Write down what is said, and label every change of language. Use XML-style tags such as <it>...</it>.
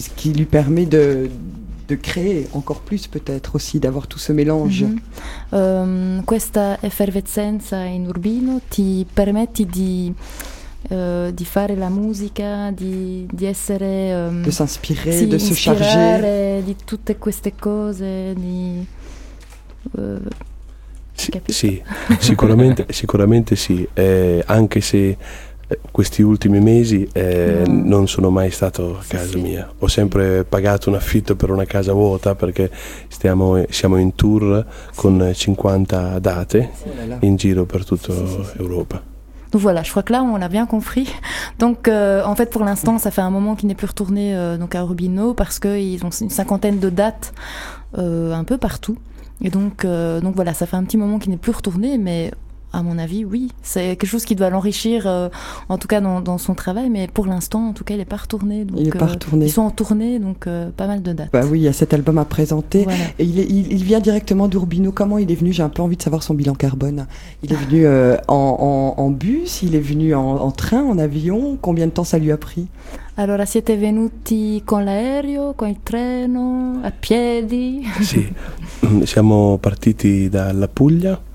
<fr>Ce qui lui permet de créer encore plus peut-être aussi, d'avoir tout ce mélange.</fr> <it>Questa effervescenza in Urbino ti permette di fare la musica, di essere...</it> <fr>De s'inspirer, de se charger.</fr> <it>Di tutte queste cose, di... Sì, capito? Sì, sicuramente, sicuramente sì, anche se questi ultimi mesi non sono mai stato a casa mia. Ho sempre pagato un affitto per una casa vuota perché siamo in tour con 50 date in giro per tutta Europa.</it> <fr>Voilà, je crois que là on a bien compris. Donc en fait pour l'instant ça fait un moment qu'il n'est plus retourné donc à Urbino parce qu'ils ont une cinquantaine de dates un peu partout. Et donc voilà, ça fait un petit moment qu'il n'est plus retourné, mais à mon avis oui, c'est quelque chose qui doit l'enrichir en tout cas dans son travail, mais pour l'instant en tout cas il n'est pas retourné. Donc, il n'est pas retourné. Ils sont en tournée donc pas mal de dates. Bah oui, il y a cet album à présenter. Voilà. Et il vient directement d'Urbino. Comment il est venu? J'ai un peu envie de savoir son bilan carbone. Il est venu en bus, il est venu en train, en avion. Combien de temps ça lui a pris?</fr> <it>Allora, siete venuti con l'aereo, con il treno, a piedi? Sì, siamo partiti dalla Puglia.</it>